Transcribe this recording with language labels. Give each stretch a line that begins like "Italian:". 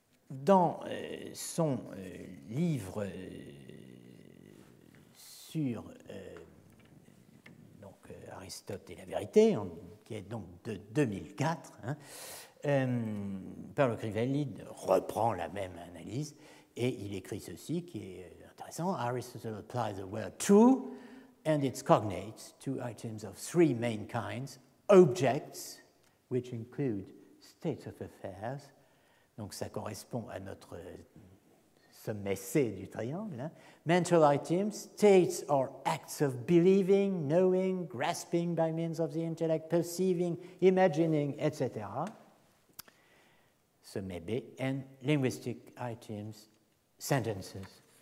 French: Dans son livre sur Aristote et la vérité, qui est donc de 2004, hein, Paolo Crivelli reprend la même analyse et il écrit ceci qui est intéressant.
English: Aristotle applies the word to and its cognates to items of 3 main kinds, objects, which include states of affairs.
French: Donc ça correspond à notre sommet C du triangle, hein.
English: Mental items, states or acts of believing, knowing, grasping by means of the intellect, perceiving, imagining, etc. Sommet B, and linguistic items, sentences.